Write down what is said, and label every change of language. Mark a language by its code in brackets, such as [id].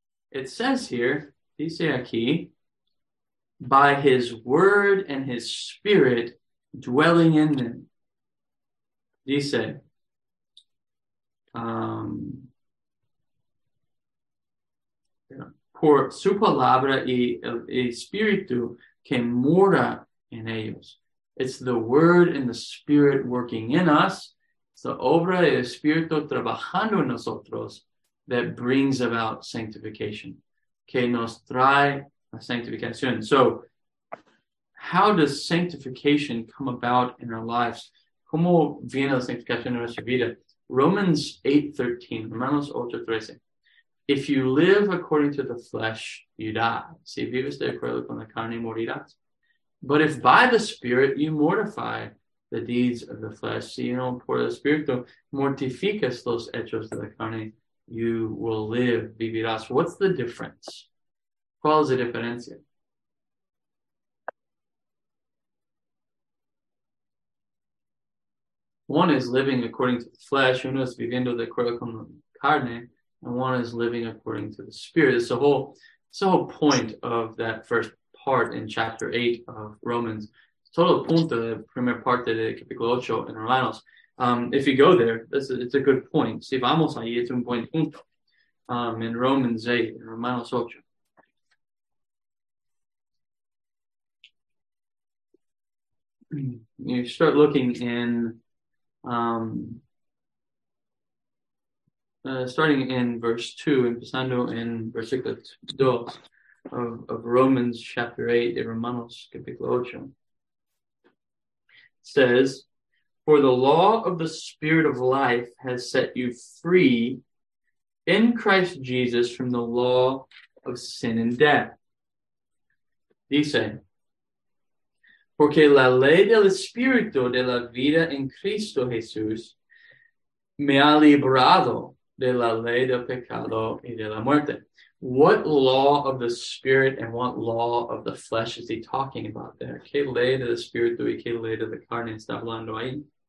[en] It says here, [es] dice aquí, [en] by his word and his spirit dwelling in them. [es] Dice, por su palabra y el espíritu que mora en ellos. [en] It's the word and the spirit working in us. It's the [es] obra del espíritu trabajando en nosotros [en] that brings about sanctification. [es] Que nos trae la sanctificación. [en] So, how does sanctification come about in our lives? [es] ¿Cómo viene la sanctificación en nuestra vida? Romans 8:13. [en] If you live according to the flesh, you die. [es] Si vives de acuerdo con la carne, morirás. [en] But if by the Spirit you mortify the deeds of the flesh, [es] si no por el Espíritu mortificas los hechos de la carne, [en] you will live, [es] vivirás. [en] What's the difference? [es] ¿Cuál es la diferencia? [en] One is living according to the flesh, [es] uno es viviendo de acuerdo con la carne, [en] and one is living according to the Spirit. It's the whole point of that first part in chapter 8 of Romans. [es] Todo punto de primer parte de capítulo 8 en Romanos. [en] If you go there, it's a good point. [es] Si vamos ahí, es un buen punto. [en] In Romans 8, [es] in Romanos 8. [en] You start looking in, starting in verse 2, [es] empezando [en] in versículo 2. Of Romans chapter 8, [es] de Romanos capítulo 8, [en] says, for the law of the spirit of life has set you free in Christ Jesus from the law of sin and death. [es] Dice, porque la ley del espíritu de la vida en Cristo Jesús me ha librado de la ley del pecado y de la muerte. [en] What law of the spirit and what law of the flesh is he talking about there? [es] ¿Qué ley de espíritu y qué ley de carne está hablando ahí?